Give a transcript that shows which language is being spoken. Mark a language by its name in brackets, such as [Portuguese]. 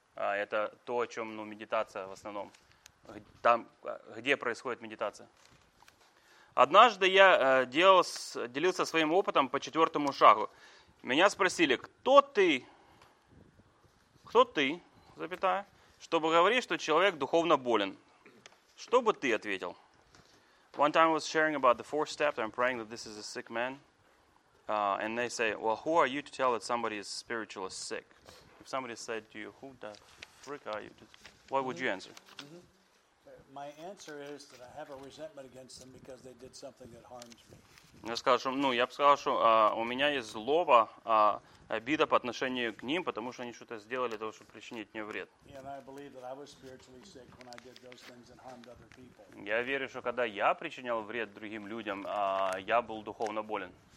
[Russian] Это то, о чем, ну, медитация в основном. Там, где происходит медитация. Однажды я делился своим опытом по четвертому шагу. Меня спросили, кто ты? Кто ты? Запятая. Чтобы говорить, что человек духовно болен. Что бы ты ответил? [English] One time I was sharing about the fourth step, I'm praying that this is a sick man. And they say, well, who are you to tell that somebody is spiritually sick? If somebody said to you, who the freak are you? What would you answer? Mm-hmm. My answer is that I have a resentment against them because they did something that harms me. [Russian] Я сказал, что, ну, я бы сказал, что у меня есть злоба, обида по отношению к ним, потому что они что-то сделали для того, чтобы причинить мне вред. Я верю, что когда я причинял вред другим людям, я был духовно болен.